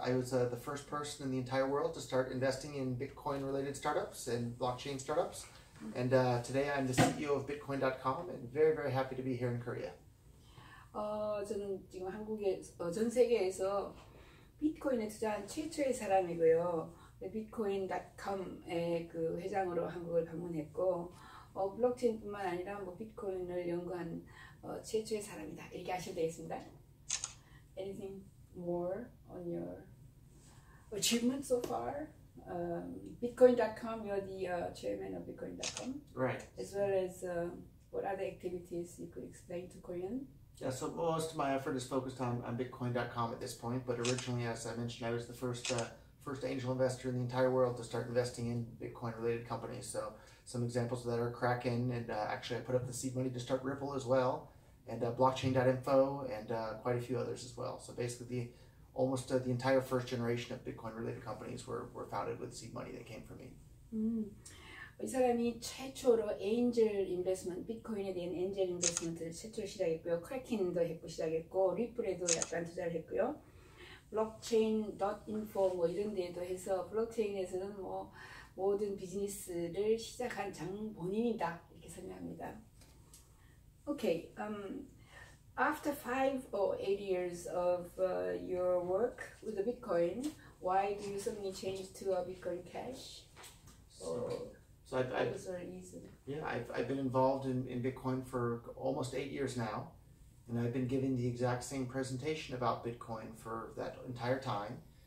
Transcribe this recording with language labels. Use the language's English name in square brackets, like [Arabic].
[English] I was the first person in the entire world to start investing in Bitcoin-related startups and blockchain startups. And today I'm the CEO of Bitcoin.com and very, very happy to be here in Korea. [Korean] 저는 지금 한국에 전 세계에서 비트코인에 투자한 최초의 사람이고요. 비트코인닷컴의 그 회장으로 한국을 방문했고 블록체인뿐만 아니라 뭐 비트코인을 연구한 최초의 사람이다. 이렇게 하셔도 되겠습니다. [English] Anything more on your achievement so far? Bitcoin.com, you're the chairman of Bitcoin.com. Right. As well as what other activities you could explain to Korean? Yeah, so most of my effort is focused on Bitcoin.com at this point, but originally, as I mentioned, I was the first angel investor in the entire world to start investing in Bitcoin-related companies. So some examples of that are Kraken, and actually I put up the seed money to start Ripple as well, and Blockchain.info, and quite a few others as well. So basically, almost the entire first generation of Bitcoin-related companies were founded with seed money that came from me. Mm. [Korean] 이 사람이 최초로 엔젤 인베스먼트, 비트코인에 대한 엔젤 인베스먼트를 최초로 시작했고요. 크래킨도 했고 시작했고, 리플에도 약간 투자를 했고요. 블록체인.info 뭐 이런 데에도 해서 블록체인에서는 뭐 모든 비즈니스를 시작한 장 본인이다 이렇게 설명합니다. [English] Okay, after 5 or 8 years of your work with the Bitcoin, why do you suddenly change to a Bitcoin Cash? I've been involved in Bitcoin for almost 8 years now, and I've been giving the exact same presentation about Bitcoin for that entire time.